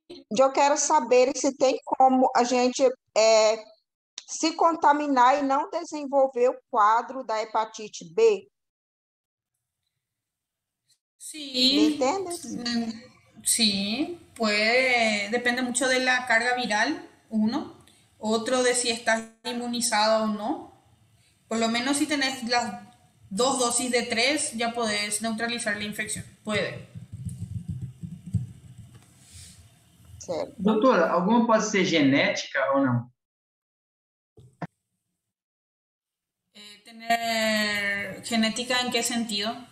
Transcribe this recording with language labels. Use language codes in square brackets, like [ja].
[pt] Yo quero saber se tem como a gente se contaminar e não desenvolver o quadro da hepatite B. Me [es] Sí. [pt] entende? [es] Sí, puede, depende mucho de la carga viral, uno, otro de si estás inmunizado o no. Por lo menos si tenés las dos dosis de tres, ya podés neutralizar la infección. Puede. [pt] Doutora, alguma pode ser genética ou não? [es] ¿Tener genética en qué sentido?